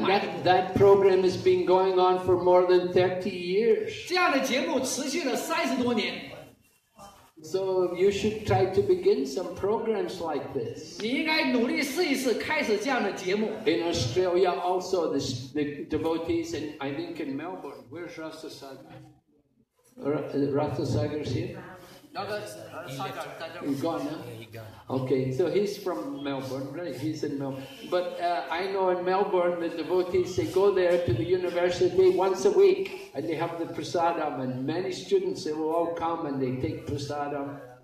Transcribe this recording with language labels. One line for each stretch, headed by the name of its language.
English: And that program has been going on for more than 30 years.
Chinese: 这样的节目持续了30多年。
English: So you should try to begin some programs like this.
Chinese: 你应该努力试一试开始这样的节目。
English: In Australia also, the devotees, and I think in Melbourne, where's Rasa Sadhana? Ratha Sagar is here? No, that's Sagar. Gone. Okay, so he's from Melbourne, right? He's in Melbourne. But I know in Melbourne the devotees, they go there to the university once a week and they have the prasadam, and many students, they will all come and they take prasadam.